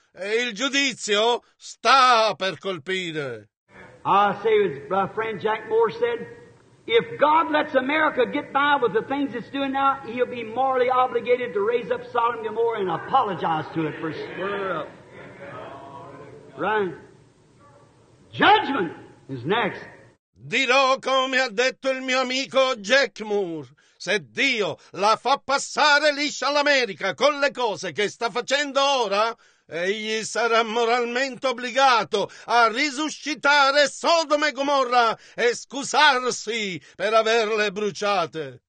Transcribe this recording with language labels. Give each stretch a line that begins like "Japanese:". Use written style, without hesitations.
Italian: E il giudizio sta per colpire. Ah, sì, il
English: friend Jack Moore said. If God lets America get by with the things it's doing now, he'll be morally obligated to raise up Sodom and Gomorrah and apologize to it for screwing it up. Right? Judgment is next.
Italian: Dirò come ha detto il mio amico Jack Moore. Se Dio la fa passare liscia all'America con le cose che sta facendo ora, egli sarà moralmente obbligato a risuscitare Sodoma e Gomorra e scusarsi per averle bruciate.